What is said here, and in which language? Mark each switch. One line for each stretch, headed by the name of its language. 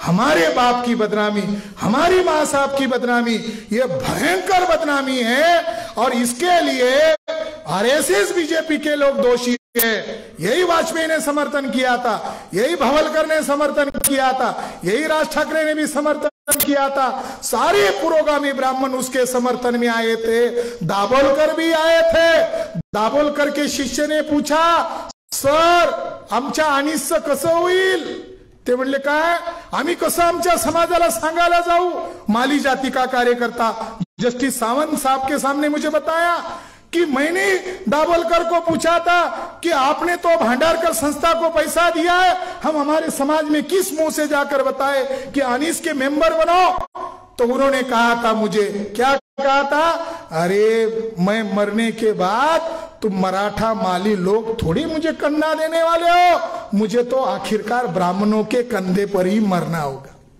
Hindi: हमारे बाप की बदनामी, हमारी मां साहब की बदनामी, यह भयंकर बदनामी है, और इसके लिए आरएसएस बीजेपी के लोग दोषी है। यही वाजपेयी ने समर्थन किया था, यही भवलकर ने समर्थन किया था, यही राज ठाकरे ने भी समर्थन किया था, सारे पुरोगामी ब्राह्मण उसके समर्थन में आए थे, दाभोलकर भी आए थे। दाभोलकर के शिष्य ने पूछा,
Marathi: सर आमच्या अनिष्ट कसं होईल, ते म्हणले काय आम्ही कसं आमच्या समाजाला सांगायला जाऊ।
Hindi: माली जाती का कार्यकर्ता जस्टिस सावंत साहब के सामने मुझे बताया कि मैंने दाभोलकर को पूछा था कि आपने तो भंडारकर संस्था को पैसा दिया है, हम हमारे समाज में किस मुंह से जाकर बताए कि अनिस के मेंबर बनाओ। तो उन्होंने कहा था मुझे, क्या कहा था, अरे मैं मरने के बाद तुम मराठा माली लोग थोड़ी मुझे कन्ना देने वाले हो, मुझे तो आखिरकार ब्राह्मणों के कंधे पर ही मरना होगा।